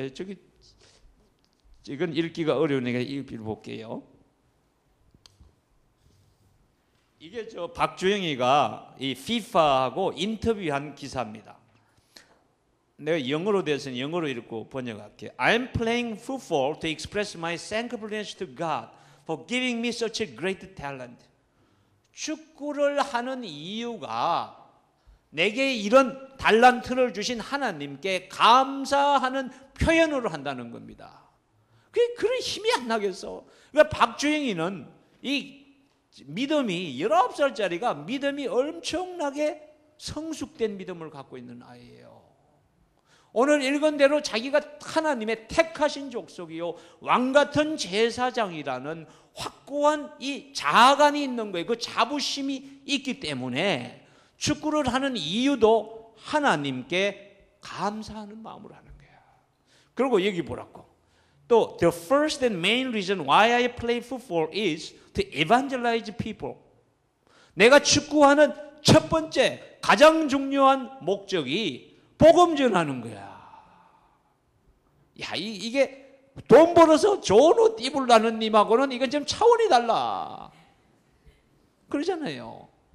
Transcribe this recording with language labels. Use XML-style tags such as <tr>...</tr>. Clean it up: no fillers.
<ko>저기 이건 읽기가 어려우니까 읽어볼게요. 이게 저 박주영이가 이 FIFA하고 인터뷰한 기사입니다. 내가 영어로 돼서는 영어로 읽고 번역할게.</ko> <en>I'm playing football to express my thankfulness to God for giving me such a great talent.</en> <ko>축구를 하는 이유가 내게 이런 달란트를 주신 하나님께 감사하는 표현으로 한다는 겁니다. 그게 그런 힘이 안 나겠어. 그러니까 박주영이는 이 믿음이 19살짜리가 믿음이 엄청나게 성숙된 믿음을 갖고 있는 아이예요. 오늘 읽은 대로 자기가 하나님의 택하신 족속이요 왕같은 제사장이라는 확고한 이 자아감이 있는 거예요. 그 자부심이 있기 때문에 축구를 하는 이유도 하나님께 감사하는 마음으로 하는 거예요. 그리고 여기 보라고 또</ko> <en>The first and main reason why I play football is to evangelize people.</en> <ko>내가 축구하는 첫 번째 가장 중요한 목적이 복음 전하는 거야. 야, 이게 돈 벌어서 좋은 옷 입을 나는 님하고는 이건 좀 차원이 달라. 그러잖아요.</ko>